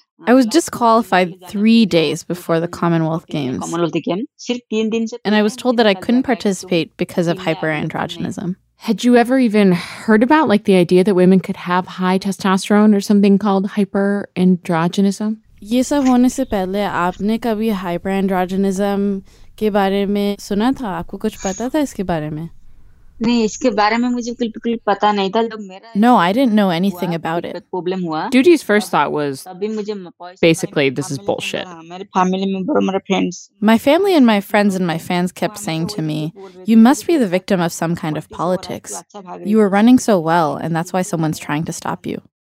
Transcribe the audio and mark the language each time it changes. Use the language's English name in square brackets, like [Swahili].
[English] I was disqualified 3 days before the Commonwealth Games. And I was told that I couldn't participate because of hyperandrogenism. Had you ever even heard about, like, the idea that women could have high testosterone or something called hyperandrogenism? [Hindi] ये सब होने से पहले आपने कभी hyperandrogenism के बारे में सुना था? आपको कुछ पता था इसके बारे में? [English] No, I didn't know anything about it. Duty's first thought was, basically, this is bullshit. My family and my friends and my fans kept saying to me, you must be the victim of some kind of politics. You were running so well, and that's why someone's trying to stop you.